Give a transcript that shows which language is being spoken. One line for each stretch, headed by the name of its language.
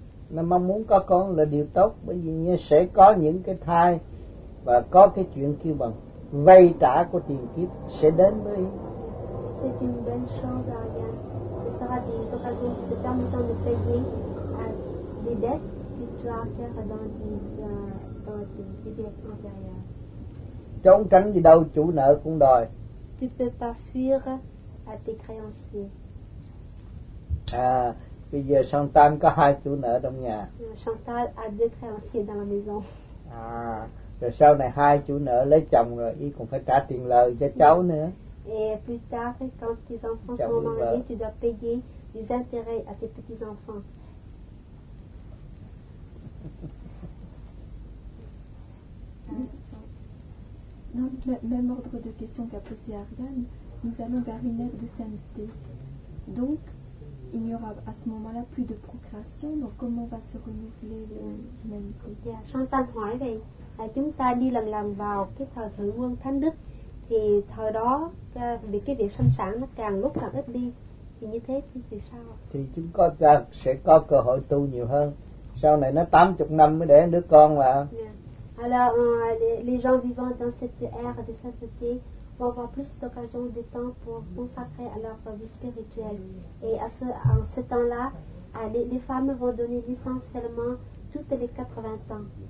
Vietnamese: Nó mong muốn có con là điều tốt, bởi vì như sẽ có những cái thai và có cái chuyện kêu bằng vay trả của tiền kiếp sẽ đến với.
French: C'est une bonne chose Ayan. Ce sera des occasions qui te permettront de payer des dettes que tu as faire dans tes biens antérieurs.
Vietnamese: Trốn tránh gì đâu, chủ nợ cũng đòi.
French: Tu peux pas fuir à tes créanciers.
Vietnamese: Bây giờ Chantal có hai chủ nợ trong nhà.
French: Chantal a deux créanciers dans la maison.
Vietnamese: Rồi sau này hai chủ nợ lấy chồng rồi, y cũng phải trả tiền lời cho cháu nữa.
French: Et plus tard, quand tes enfants seront mariés, tu dois payer des intérêts à tes petits enfants. Donc, même ordre de questions qu'a posé Ariane, nous allons vers une ère de sainteté. Donc, il n'y aura à ce moment-là plus de procréation, donc comment va se renouveler l'humanité?
Vietnamese: Chantal hỏi vậy, chúng ta đi lần lần vào cái thời Thượng Quân Thánh Đức, thì thời đó, vì cái việc sinh sản nó càng lúc càng ít đi, thì như thế thì sao? Thì chúng ta sẽ có cơ hội tu nhiều hơn, sau này nó 80 năm mới đẻ đứa con mà.
French: Alors, les gens vivant dans cette ère de sainteté vont avoir plus d'occasions de temps pour consacrer à leur vie spirituelle. Et en ce temps-là, les femmes vont donner essentiellement toutes les 80 ans.